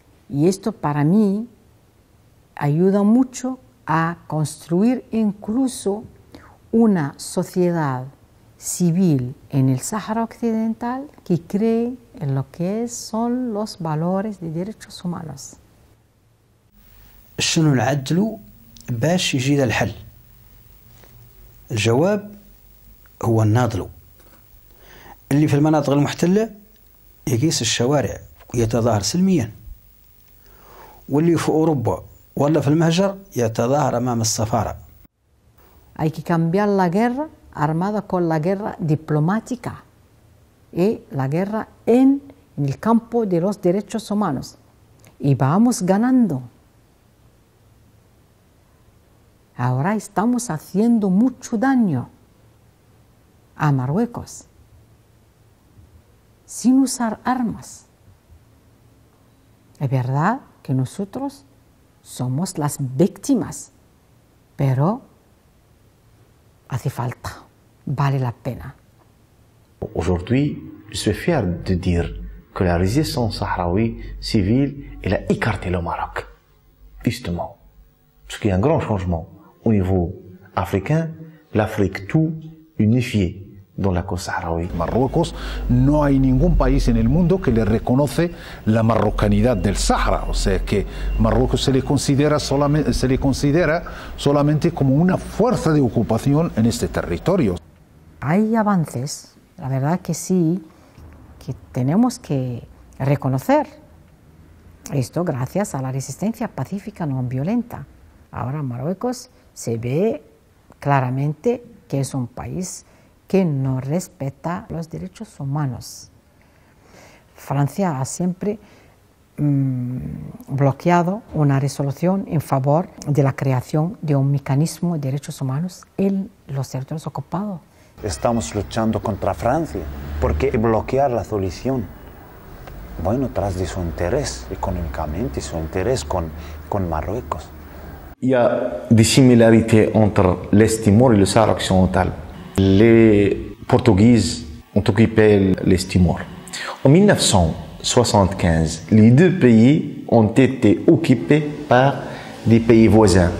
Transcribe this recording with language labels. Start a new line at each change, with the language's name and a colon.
Spanish: Y esto para mí ayuda mucho a construir incluso una sociedad civil en el Sáhara Occidental que cree en lo que son los valores de derechos humanos.
Arabic: شنو نعدلو باش يجي للحل؟ الجواب هو الناضلو اللي في المناطق المحتلة يقيس الشوارع يتظاهر سلميا، واللي في أوروبا ولا في المهجر يتظاهر أمام السفارة.
Spanish: Hay que cambiar la guerra armada con la guerra diplomática y la guerra en el campo de los derechos humanos. Y vamos ganando. Ahora estamos haciendo mucho daño a Marruecos sin usar armas. Es verdad que nosotros somos las víctimas, pero hace falta, vale la pena.
French: Aujourd'hui, je suis fier de dire que la résistance sahraoui civile, elle a écarté le Maroc, justement, ce qui est un grand changement. Au niveau africain, l'Afrique tout unifiée dans la cause sahraoui.
Spanish: Marruecos, no hay ningún país en el mundo que le reconoce la marrocanidad del Sahara. O sea que Marruecos se le considera solamente como una fuerza de ocupación en este territorio. Hay avances, la verdad que sí, que tenemos que reconocer. Esto gracias a la resistencia pacífica no violenta. Ahora Marruecos se ve claramente que es un país que no respeta los derechos humanos. Francia ha siempre bloqueado una resolución en favor de la creación de un mecanismo de derechos humanos en los territorios ocupados. Estamos luchando contra Francia. ¿Por qué bloquear la solución? Bueno, tras de su interés económicamente, su interés con Marruecos.
French: Il y a des similarités entre l'Est Timor et le Sahara occidental. Les Portugais ont occupé l'Est Timor. En 1975, les deux pays ont été occupés par des pays voisins.